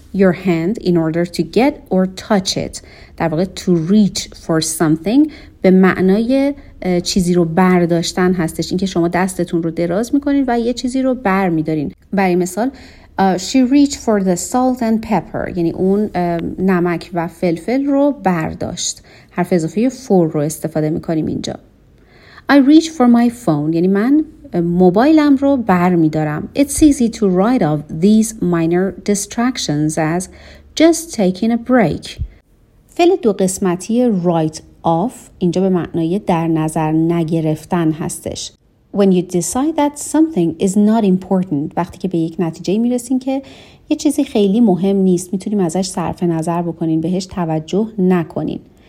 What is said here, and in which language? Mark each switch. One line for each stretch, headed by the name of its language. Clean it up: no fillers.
English: your hand in order to get or touch it.
Persian: در واقع
English: to reach for something
Persian: به معنای چیزی رو برداشتن هستش، اینکه شما دستتون رو دراز میکنین و یه چیزی رو بر میدارین. برای مثال
English: she reached for the salt and pepper،
Persian: یعنی اون نمک و فلفل رو برداشت. حرف اضافه for رو استفاده میکنیم اینجا.
English: I reach for my phone،
Persian: یعنی من موبایلم رو بر میدارم.
English: It's easy to write off these minor distractions as just taking a break.
Persian: فعل دو قسمتی write off اینجا به معنای در نظر نگرفتن هستش.
English: When you decide that something is not important،
Persian: وقتی که به یک نتیجه میرسین که یه چیزی خیلی مهم نیست، میتونیم ازش صرف نظر بکنین، بهش توجه نکنین.